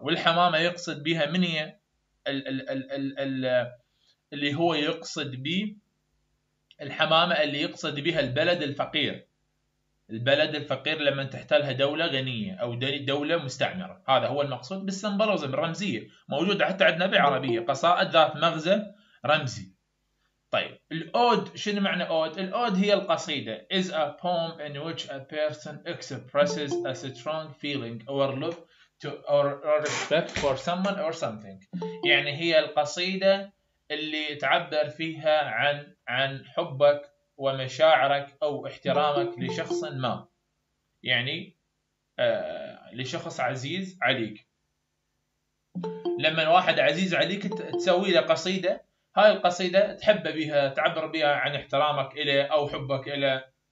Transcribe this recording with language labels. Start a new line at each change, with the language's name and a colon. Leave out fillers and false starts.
Arabic: والحمامة يقصد بها من هي؟ ال ال ال ال ال اللي هو يقصد به الحمامة، اللي يقصد بها البلد الفقير، البلد الفقير لما تحتلها دولة غنية أو دولة مستعمرة، هذا هو المقصود بالسمبولزم الرمزية، موجودة حتى عندنا بالعربية، قصائد ذات مغزى رمزي. طيب الأود، شنو معنى أود؟ الأود هي القصيدة.
English: Is a poem in which a person expresses a strong feeling or love to or respect for someone or something.
Arabic: يعني هي القصيدة اللي تعبر فيها عن حبك ومشاعرك او احترامك لشخص ما، يعني لشخص عزيز عليك. لما واحد عزيز عليك تسوي له قصيده، هاي القصيده تحب بها، تعبر بها عن احترامك له او حبك له.